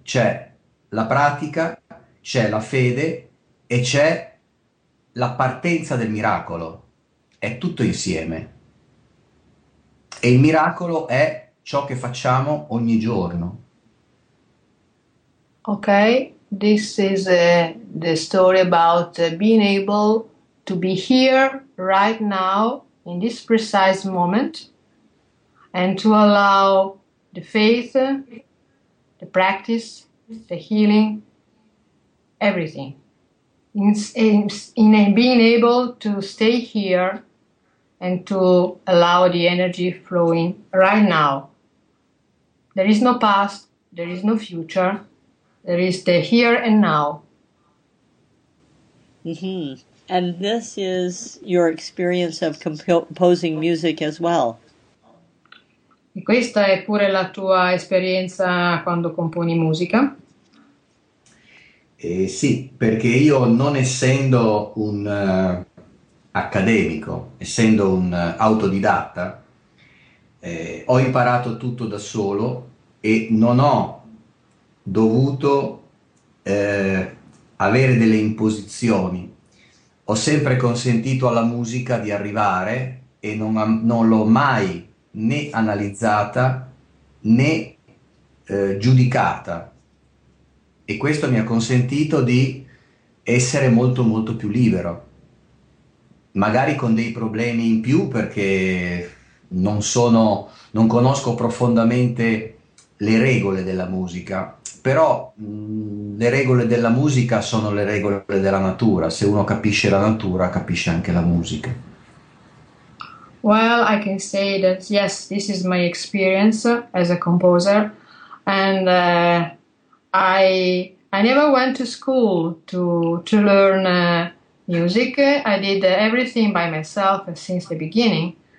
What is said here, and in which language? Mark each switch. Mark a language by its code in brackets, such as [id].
[it] C'è la pratica, c'è la fede e c'è la partenza del miracolo. È tutto insieme. E il miracolo è ciò che facciamo ogni giorno. Ok. [en] This is the story about being able to be here right now in this precise moment and to allow the faith, the practice, the healing, everything. In being able to stay here and to allow the energy flowing right now. There is no past, there is no future. There is the here and now. Mm-hmm. And this is your experience of composing music as well. [it] E questa è pure la tua esperienza quando componi musica? Sì, perché io non essendo un accademico, essendo un autodidatta, ho imparato tutto da solo e non ho dovuto avere delle imposizioni. Ho sempre consentito alla musica di arrivare e non l'ho mai né analizzata né giudicata. E questo mi ha consentito di essere molto molto più libero. Magari con dei problemi in più perché non conosco profondamente le regole della musica. Però le regole della musica sono le regole della natura. Se uno capisce la natura, capisce anche la musica. [en] Well, I can say that yes, this is my experience as a composer, and I never went to school to learn music. I did everything by myself since the beginning.